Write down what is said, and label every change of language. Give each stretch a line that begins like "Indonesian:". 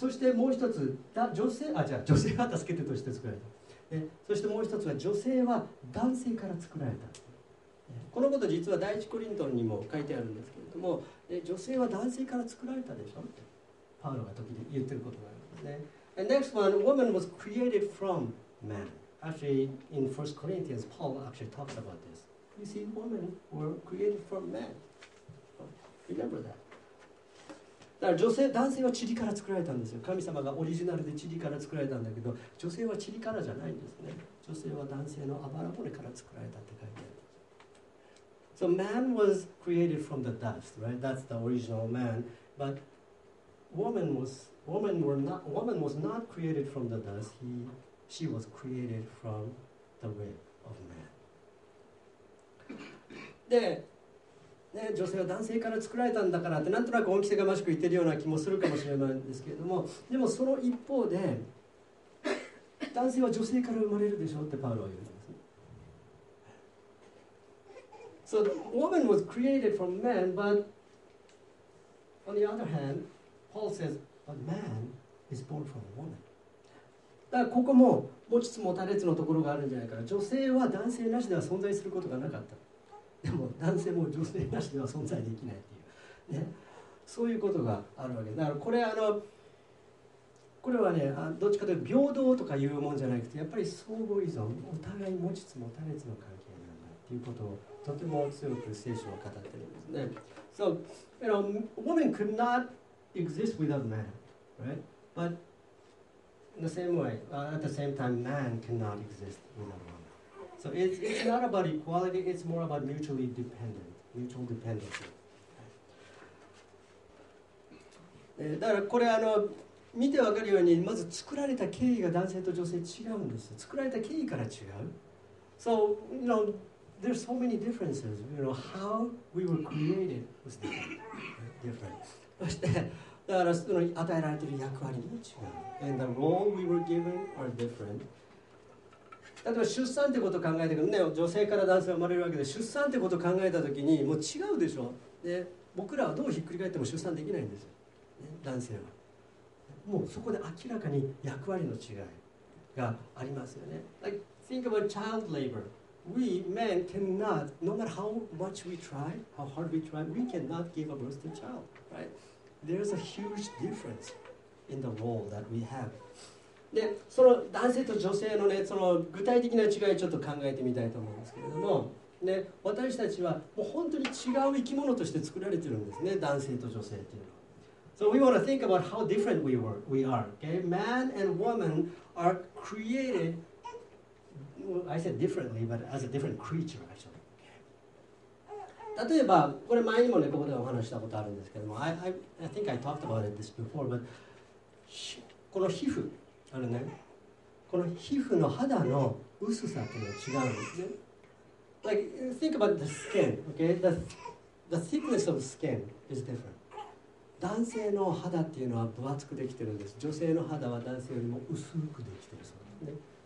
Japanese: そしてもう一つ、女性は助け手として作られた。ね、そしてもう一つは女性は男性から作られた、ね、このこと実は第一コリントンにも書いてあるんですけれども、ね、女性は男性から作られたでしょってパウロが時に言ってることがあるんですね。
English: And next one, woman was created from man. Actually, in 1 Corinthians, Paul actually talks about this. You see, women were created from man. Remember that.
Japanese: だから女性、男性は塵から作られたんですよ。神様がオリジナルで塵から作られたんだけど、女性は塵からじゃないんですね。女性は男性のあばら骨から作られたって書いてあるんです。
English: So man was created from the dust, right? That's the original man. But woman was not created from the dust. She was created from the rib of man.
Japanese: で、ね、女性は男性から作られたんだからってなんとなく恩着せがましく言ってるような気もするかもしれないんですけれども、でもその一方で男性は女性から生まれるでしょうってパウロは言うんです。
English: So woman was created from man, but on the other hand, Paul says, but man is born from woman.
Japanese: だからここも持ちつ持たれつのところがあるんじゃないかな。女性は男性なしでは存在することがなかった。でも男性も女性なしでは存在できないっていう、ね、そういうことがあるわけです。だからこれ、あのこれはね、どっちかというと平等とかいうもんじゃなくて、やっぱり相互依存、お互い持ちつ持たれつの関係なんだっていうことをとても強く聖書は語ってるんですね。
English: So, you know, woman could not exist without man, right? But in the same way, at the same time, man cannot exist without woman. So it's not about equality, it's more about mutually dependent, mutual dependency.
Japanese: だからこれ、あの見てわかるように、まず作られた経緯が男性と女性違うんです。作られた経緯から違う。
English: So, you know, there's so many differences. You know, how we were created was different.
Japanese: そして、だから与えられている役割も違う。
English: And the role we were given are different.
Japanese: 例えば出産ってことを考えたけどね、女性から男性が生まれるわけで、出産ってことを考えたときにもう違うでしょ。で、僕らはどうひっくり返っても出産できないんですよ、ね、男性は。もうそこで明らかに役割の違いがありますよね。
English: Like, think about child labor. We men cannot, no matter how much we try, how hard we try, we cannot give a birth to child, right? There's a huge difference in the role that we have.
Japanese: でその男性と女性のね、その具体的な違いをちょっと考えてみたいと思うんですけれども、ね、私たちはもう本当に違う生き物として作られてるんですね、男性と女性っていうのは。
English: So we want to think about how different we are, okay? Man and woman are created, well, I said differently, but as a different creature actually.
Japanese: 例えばこれ前にもねここでお話したことあるんですけども
English: I think I talked about it this before but
Japanese: この皮膚あるねこの皮膚の肌の薄さっていうのが違うんですね
English: Like think about the skin okay the thickness of skin is different
Japanese: 男性の肌っていうのは分厚くできてるんです女性の肌は男性よりも薄くできてるそうですね